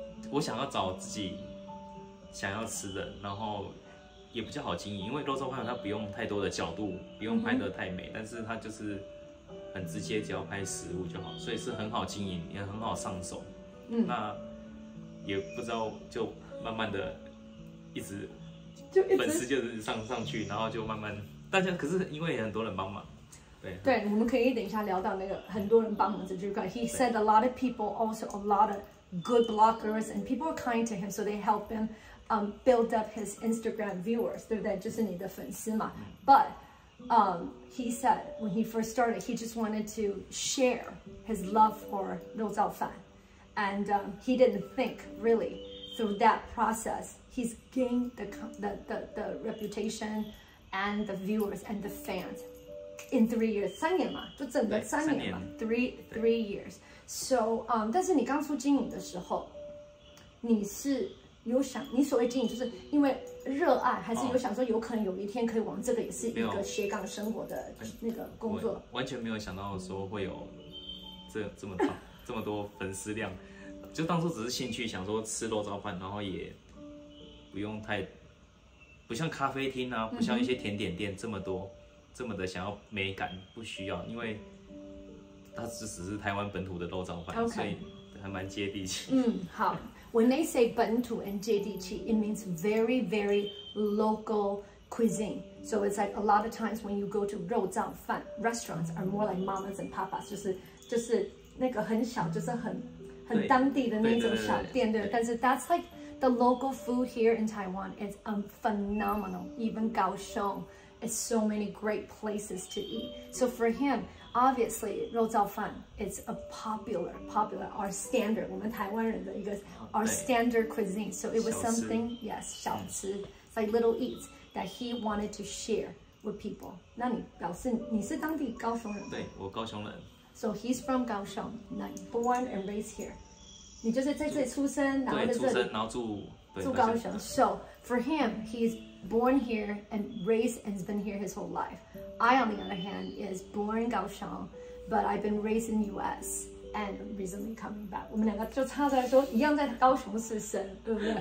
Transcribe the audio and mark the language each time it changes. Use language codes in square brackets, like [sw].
[zh] 我想要找自己想要吃的然后也比较好经营，因为肉燥饭它不用太多的角度，不用拍得太美，但是它就是很直接，只要拍食物就好，所以是很好经营，也很好上手。那也不知道，就慢慢的一直粉丝就是上去，然后就慢慢大家，可是因为也很多人帮忙，对，我们可以等一下聊到那个很多人帮忙这句话。 [en] He said a lot of people also a lot of good bloggers and people are kind to him, so they help him. Build up his Instagram viewers, [zh] 对不对？就是你的粉丝嘛。 [en] But, he said when he first started, he just wanted to share his love for 肉燥饭. And he didn't think really through that process, he's gained the reputation and the viewers and the fans in 3 years. [zh] 三年嘛，就整个三年 [en] 嘛 three years. [zh] So, 但是你刚出经营的时候，你是有想你所谓经营就是因为热爱还是有想说有可能有一天可以往这个也是一个斜杠生活的那个工作完全没有想到说会有 这么这么多粉丝量就当初只是兴趣想说吃肉燥饭然后也不用太不像咖啡厅啊不像一些甜点店这么多、嗯、这么的想要美感不需要因为它只是台湾本土的肉燥饭、 [en] okay. [zh] 所以还蛮接地气 [en] 嗯好When they say 本土 and 接地气 it means very, very local cuisine. So it's like a lot of times when you go to 肉燥饭 restaurants are more like mamas and papas, [zh] 就是那个很小就是很当地的那种小店对 [en] 但是 that's like the local food here in Taiwan is phenomenal. Even 高雄 is so many great places to eat. So for him,Obviously, 肉燥饭 is a popular, our standard, [zh] 我们台湾人的一个 [en] our standard cuisine. So it was something, yes, 小吃 it's like little eats that he wanted to share with people. [zh] 那你表示你是当地高雄人？对，我高雄人。 [en] So he's from 高雄 born and raised here. [zh] 你就是在这里出生，然后在这里，然后住住高雄。 [en] So for him, he's born here and raised and has been here his whole life. I, on the other hand, is born in Kaohsiung, but I've been raised in the U.S. and recently coming back. [zh] 我们两个就差在说一样在高雄出生，对不对？